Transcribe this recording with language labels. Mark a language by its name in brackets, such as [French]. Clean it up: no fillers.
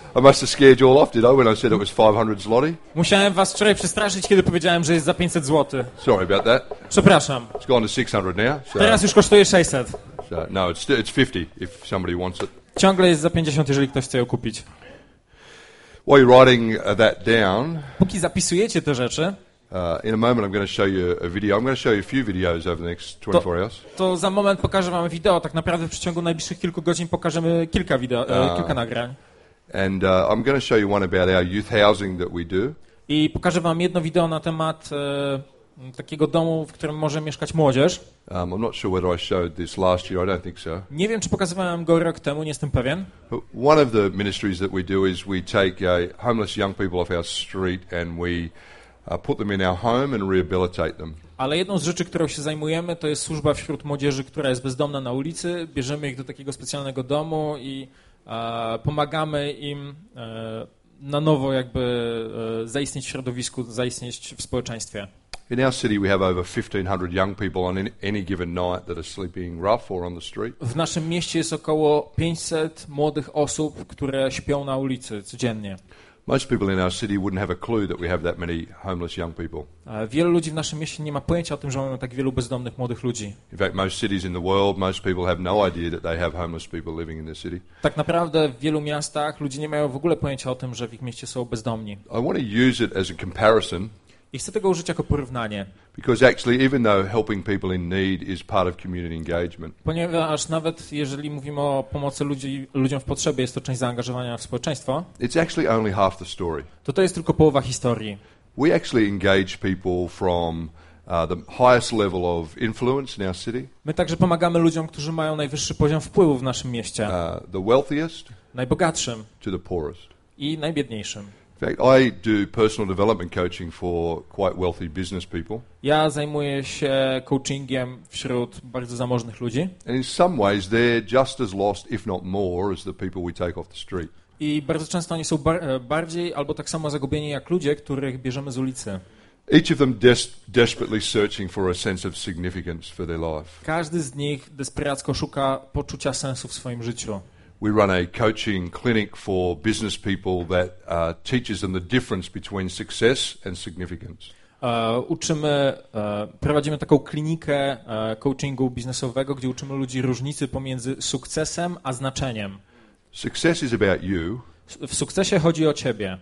[English] I must have scared you all off, did I, when I said it was 500 zloty? [Polish] Musiałem was wczoraj przestraszyć, kiedy powiedziałem, że jest za 500 zloty. [English] Sorry about that. [Polish] Przepraszam. [English] It's gone to 600 now. So. [Polish] Teraz już kosztuje 600. [English] So, no, it's 50 if somebody wants it. [Polish] Ciągle jest za 50, jeżeli ktoś chce ją kupić. [English] While you're writing that down. [Polish] Póki zapisujecie te rzeczy. [English] In a moment I'm going to show you a video. I'm going to show you a few videos over the next 24 hours. [Polish] To za moment pokażę wam wideo. Tak naprawdę w przeciągu najbliższych kilku godzin pokażemy kilka wideo, kilka nagrań. [English] And I'm going to show you one about our youth housing that we do. [Polish] I pokażę wam jedno wideo na temat takiego domu, w którym może mieszkać młodzież. [English] I'm not sure whether I showed this last year. I don't think so. [Polish] Nie wiem, czy pokazywałem go rok temu, nie jestem pewien. [English] But one of the ministries that we do is we take homeless young people off our street and we put them in our home and rehabilitate them. [Polish] Ale jedną z rzeczy, którą się zajmujemy, to jest służba wśród młodzieży, która jest bezdomna na ulicy. Bierzemy ich do takiego specjalnego domu i pomagamy im na nowo jakby zaistnieć w środowisku, zaistnieć w społeczeństwie. [English] In our city we have over 1500 young people on any given night that are sleeping rough or on the street. [Polish] W naszym mieście jest około 500 młodych osób, które śpią na ulicy codziennie. [English] Most people in our city wouldn't have a clue that we have that many homeless young people. [Polish] Wielu ludzi w naszym mieście nie ma pojęcia o tym, że mamy tak wielu bezdomnych młodych ludzi. [English] In fact, most cities in the world, most people have no idea that they have homeless people living in their city. [Polish] Tak naprawdę w wielu miastach ludzie nie mają w ogóle pojęcia o tym, że w ich mieście są bezdomni. [English] I want to use it as a comparison. [Polish] I chcę tego użyć jako porównanie. [English] Because actually, even though helping people in need is part of community engagement. [Polish] Ponieważ nawet jeżeli mówimy o pomocy ludziom w potrzebie, jest to część zaangażowania w społeczeństwo. [English] It's actually only half the story. [Polish] To jest tylko połowa historii. [English] We actually engage people from the highest level of influence in our city. [Polish] My także pomagamy ludziom, którzy mają najwyższy poziom wpływu w naszym mieście. [English] The wealthiest. [Polish] Najbogatszym. [English] To the poorest. [Polish] I najbiedniejszym. [English] In fact, I do personal development coaching for quite wealthy business people. [Polish] Ja zajmuję się coachingiem wśród bardzo zamożnych ludzi. [English] And in some ways, they're just as lost, if not more, as the people we take off the street. [Polish] I bardzo często oni są bardziej albo tak samo zagubieni jak ludzie, których bierzemy z ulicy. [English] Each of them desperately searching for a sense of significance for their life. [Polish] Każdy z nich desperacko szuka poczucia sensu w swoim życiu. [English] We run a coaching clinic for business people that teaches them the difference between success and significance. [Polish] Uczymy, prowadzimy taką klinikę coachingu biznesowego, gdzie uczymy ludzi różnicy pomiędzy sukcesem a znaczeniem. [English] Success is about you. [Polish] W sukcesie chodzi o ciebie.